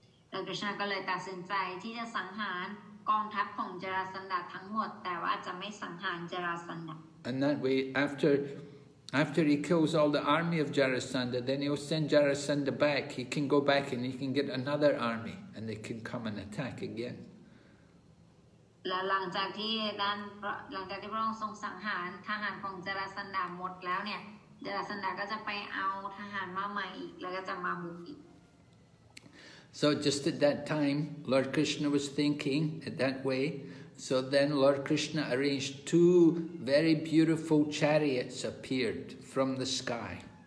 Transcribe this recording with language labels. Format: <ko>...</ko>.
<en>And that way, after he kills all the army of Jarasandha, then he'll send Jarasandha back. He can go back and he can get another army and they can come and attack again.</en> <th>แล้วหลังจากที่ด้านหลังจากที่พระองค์ทรงสังหารทหารของจารสันดาหมดแล้วเนี่ยจารสันดาก็จะไปเอาทหารมาใหม่อีกแล้วก็จะมาบุกอีก</th> <en>So just at that time, Lord Krishna was thinking at that way. So then Lord Krishna arranged two very beautiful chariots appeared from the sky.</en>